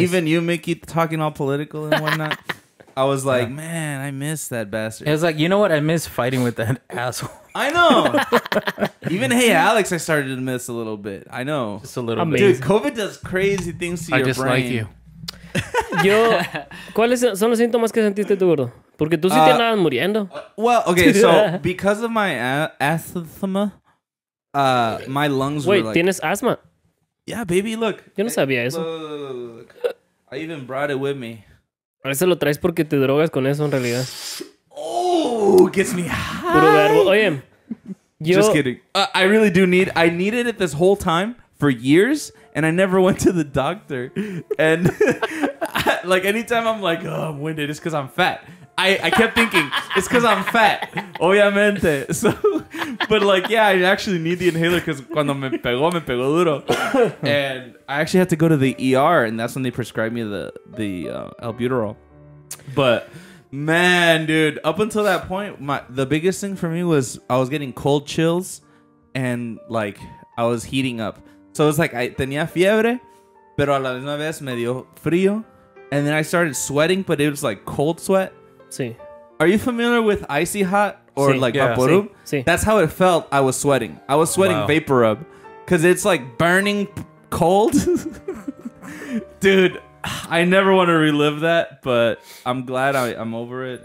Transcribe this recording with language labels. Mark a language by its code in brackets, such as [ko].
[en] Even you, Mickey, talking all political and whatnot. I was like, yeah, man, I miss that bastard. It was like, you know what? I miss fighting with that asshole. I know. Even Hey Alex, I started to miss a little bit. I know. Just a little amazing bit. Dude, COVID does crazy things to your brain. I just like you. [es] Yo, ¿cuáles son los síntomas que sentiste tú, gordo? Porque tú sí te andabas muriendo. [en] Well, okay, so because of my asthma, my lungs were like... [es] Wait, ¿tienes asma? [en] Yeah, baby, look. [es] Yo no sabía eso. [en] Look. I even brought it with me. [es] A veces lo traes porque te drogas con eso, en realidad. [en] Oh, gets me high. [es] Puro verbo. Oye, yo... [en] Just kidding. I really do need... I needed it this whole time for years, and I never went to the doctor. And like anytime I'm like, oh, I'm winded, it's because I'm fat. I kept thinking, it's because I'm fat. [es] Obviamente. [en] So, but like, yeah, I actually need the inhaler because [es] cuando me pegó duro. [en] And I actually had to go to the ER, and that's when they prescribed me the albuterol. But man, dude, up until that point, the biggest thing for me was I was getting cold chills and like I was heating up. So it was like I [es] tenía fiebre, pero a la misma vez me dio frío. [en] And then I started sweating, but it was like cold sweat. See, are you familiar with Icy Hot or see, like vapor rub? See, that's how it felt. I was sweating. I was sweating wow. Vapor rub, cause it's like burning cold. Dude, I never want to relive that, but I'm glad I'm over it.